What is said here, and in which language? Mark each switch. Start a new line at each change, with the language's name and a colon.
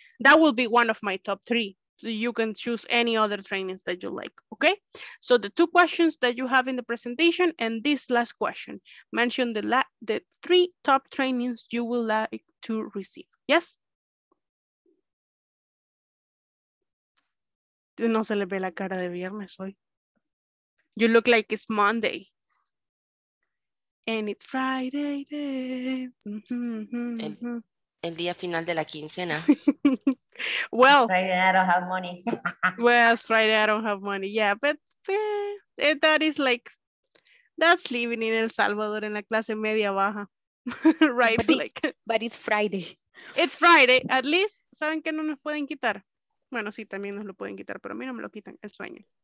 English: That will be one of my top three. You can choose any other trainings that you like, okay? So the two questions that you have in the presentation and this last question, mention the three top trainings you would like to receive, yes?
Spanish: No se le ve la cara de viernes hoy.
English: You look like it's Monday. And it's Friday.
Spanish: El día final de la quincena.
English: Well, Friday I don't have money. Well, Friday I don't have money. Yeah, but yeah, that is like, that's living in El Salvador in la clase media baja. Right? But, like, but it's Friday. It's Friday.
Spanish: At least, ¿saben que no nos pueden quitar? Bueno, sí, también nos lo pueden quitar, pero a mí no me lo quitan, el sueño.